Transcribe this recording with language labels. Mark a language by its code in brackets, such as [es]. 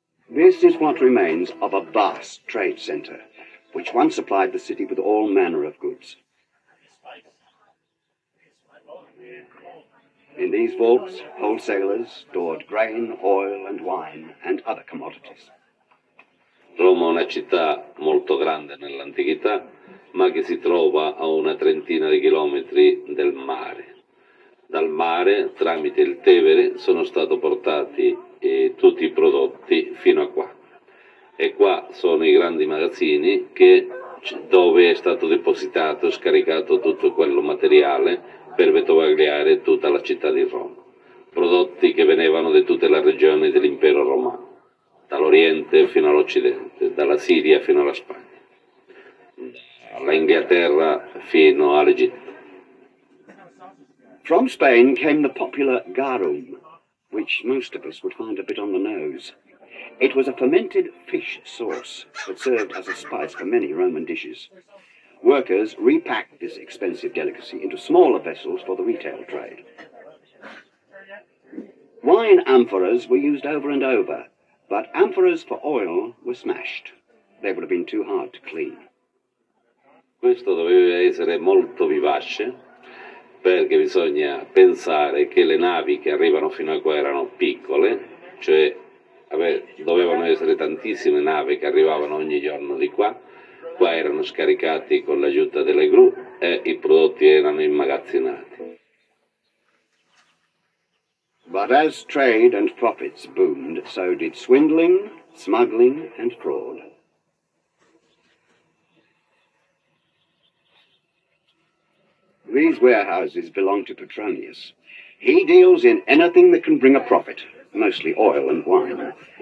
[en] This is what remains of a vast trade center, which once supplied the city with all manner of goods. In these vaults, wholesalers stored grain, oil, and wine, and other commodities. [it] Roma è una città molto grande nell'antichità, ma che si trova a una trentina di chilometri dal mare. Dal mare, tramite il Tevere, sono stati portati e tutti i prodotti fino a qua. E qua sono i grandi magazzini che, dove è stato depositato, scaricato tutto quello materiale per vettovagliare tutta la città di Roma. Prodotti che venivano da tutte le regioni dell'impero romano, dall'Oriente fino all'Occidente, dalla Siria fino alla Spagna. all'Inghilterra fino all'Egitto. [en] From Spain came the popular garum, which most of us would find a bit on the nose. It was a fermented fish sauce that served as a spice for many Roman dishes. Workers repacked this expensive delicacy into smaller vessels for the retail trade. Wine amphoras were used over and over, but amphoras for oil were smashed. They would have been too hard to clean. [it] Questo doveva essere molto vivace, perché bisogna pensare che le navi che arrivano fino a qua erano piccole, cioè dovevano essere tantissime navi che arrivavano ogni giorno di qua. Qua erano scaricati con l'aiuto delle gru e i prodotti erano immagazzinati. [en] But as trade and profits boomed, so did swindling, smuggling and fraud. These warehouses belong to Petronius. He deals in anything that can bring a profit, mostly oil and wine.